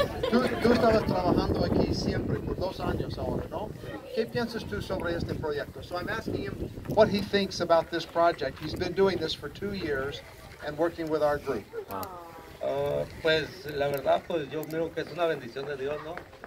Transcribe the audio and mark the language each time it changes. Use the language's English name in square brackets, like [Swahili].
[Spanish] Tú estabas trabajando aquí siempre por dos años ahora, ¿no? ¿Qué piensas tú sobre este proyecto? [English] So I'm asking him what he thinks about this project. He's been doing this for 2 years and working with our group. [Spanish] Pues la verdad, pues yo creo que es una bendición de Dios, ¿no?